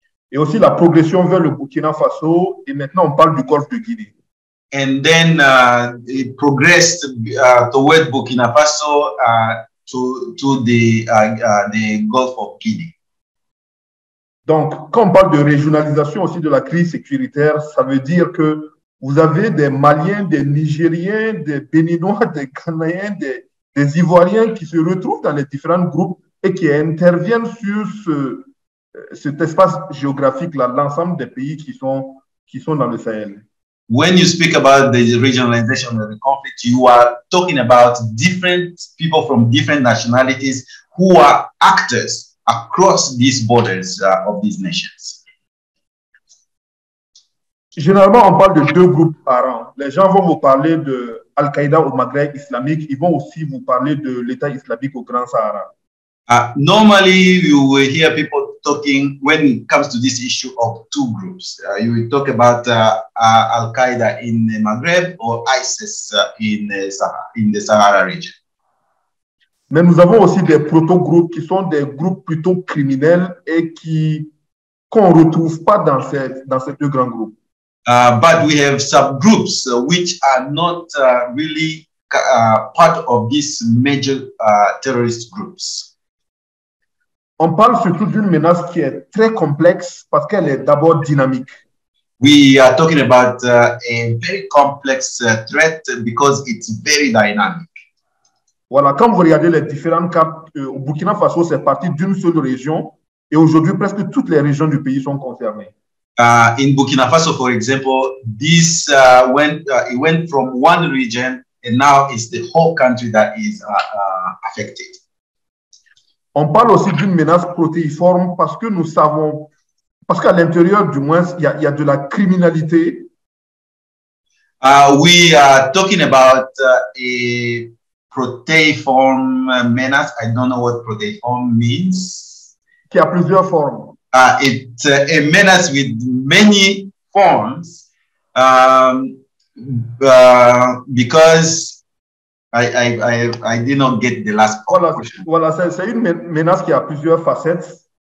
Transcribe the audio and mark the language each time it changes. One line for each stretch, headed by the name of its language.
French: Et aussi la progression vers le Burkina Faso, et maintenant on parle du golfe de Guinée.
English: And then it progressed toward Burkina Faso to the Gulf of Guinea.
French: Donc, quand on parle de régionalisation aussi de la crise sécuritaire, ça veut dire que vous avez des Maliens, des Nigériens, des Béninois, des Ghanéens, des Ivoiriens qui se retrouvent dans les différents groupes et qui interviennent sur cet espace géographique-là, l'ensemble des pays qui sont dans le Sahel.
English: When you speak about the regionalization of the conflict, you are talking about different people from different nationalities who are actors across these borders of these nations.
French: Généralement, on parle de deux groupes par an. Les gens vont vous parler de Al-Qaïda au Maghreb islamique. Ils vont aussi vous parler de l'État islamique au Grand Sahara.
English: Normally, you will hear people talking when it comes to this issue of two groups. You will talk about Al-Qaïda in the Maghreb or ISIS in the Sahara region.
French: Mais nous avons aussi des proto-groupes qui sont des groupes plutôt criminels et qu'on ne retrouve pas dans ces deux grands groupes.
English: But we have subgroups which are not really part of these major terrorist groups.
French: On parle surtout d'une menace qui est très complexe parce qu'elle est d'abord dynamique.
English: We are talking about a very complex threat because it's very dynamic.
French: Voilà, quand vous regardez les différentes cartes, au Burkina Faso, c'est parti d'une seule région et aujourd'hui, presque toutes les régions du pays sont concernées.
English: In Burkina Faso, for example, this went from one region and now it's the whole country that is affected.
French: On parle aussi d'une menace protéiforme parce que nous savons, parce qu'à l'intérieur du moins, il y a de la criminalité.
English: We are talking about a protéiforme menace. I don't know what protéiforme means.
French: Qui a plusieurs formes.
English: It's a menace with many forms because I did not get the last question.
French: Voilà, c'est une menace qui a plusieurs facettes.